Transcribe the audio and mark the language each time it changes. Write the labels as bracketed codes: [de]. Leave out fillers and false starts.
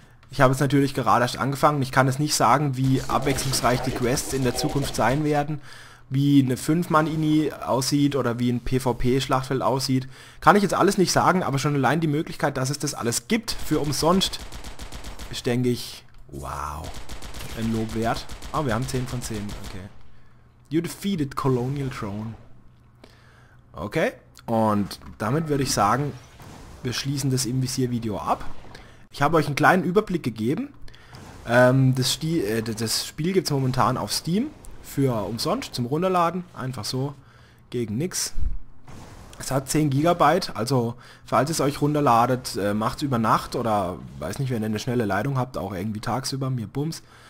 [de] Ich habe jetzt natürlich gerade erst angefangen. Ich kann es nicht sagen, wie abwechslungsreich die Quests in der Zukunft sein werden. Wie eine 5-Mann-Ini aussieht oder wie ein PvP-Schlachtfeld aussieht. Kann ich jetzt alles nicht sagen, aber schon allein die Möglichkeit, dass es das alles gibt für umsonst, ist, denke ich, wow, ein Lob wert. Oh, wir haben 10 von 10. Okay. [en] You defeated Colonial Drone. [de] Okay, und damit würde ich sagen, wir schließen das im Visier-Video ab. Ich habe euch einen kleinen Überblick gegeben. Das Spiel gibt es momentan auf Steam für umsonst zum Runterladen. Einfach so, gegen nix. Es hat 10 GB, also falls es euch runterladet, macht es über Nacht oder weiß nicht, wenn ihr eine schnelle Leitung habt, auch irgendwie tagsüber, mir bums.